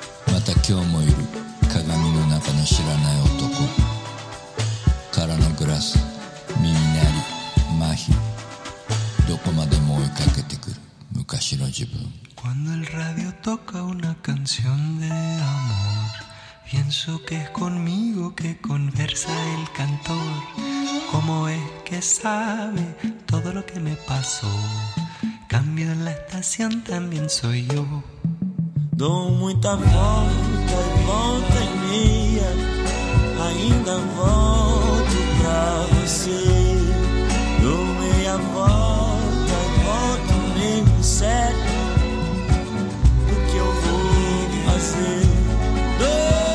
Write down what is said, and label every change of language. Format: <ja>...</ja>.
<ja>また今日もいる鏡の中の知らない男。空のグラス、耳鳴り、麻痺。どこまでも追いかけてくる昔の自分。</ja> <es>Cuando el radio toca una canción de amor, pienso que es conmigo que conversa el cantor. ¿Cómo es que sabe todo lo que me pasó? Cambio en la estación también soy yo.</es> <pt>Dou muita volta e volta e meia, ainda volto pra você. Dou meia volta e volto meio certo do que eu vou fazer.</pt>